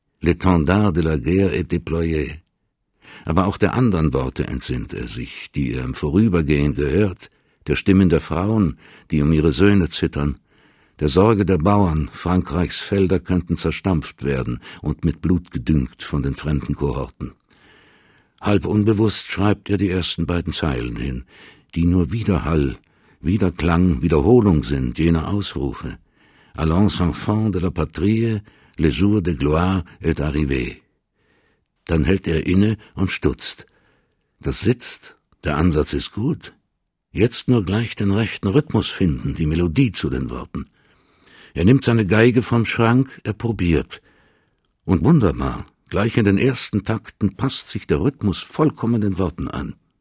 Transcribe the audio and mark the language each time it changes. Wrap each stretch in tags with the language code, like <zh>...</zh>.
<fr>L'étendard de la guerre est déployé!</fr> <de>Aber auch der anderen Worte entsinnt er sich, die er im Vorübergehen gehört, der Stimmen der Frauen, die um ihre Söhne zittern, der Sorge der Bauern, Frankreichs Felder könnten zerstampft werden und mit Blut gedüngt von den fremden Kohorten. Halb unbewusst schreibt er die ersten beiden Zeilen hin, die nur Widerhall, Widerklang, Wiederholung sind jener Ausrufe.</de> <fr>Allons enfants de la patrie, le jour de gloire est arrivé.</fr> <de>Dann hält er inne und stutzt. Das sitzt, der Ansatz ist gut. Jetzt nur gleich den rechten Rhythmus finden, die Melodie zu den Worten. Er nimmt seine Geige vom Schrank, er probiert. Und wunderbar, gleich in den ersten Takten passt sich der Rhythmus vollkommen den Worten an.</de>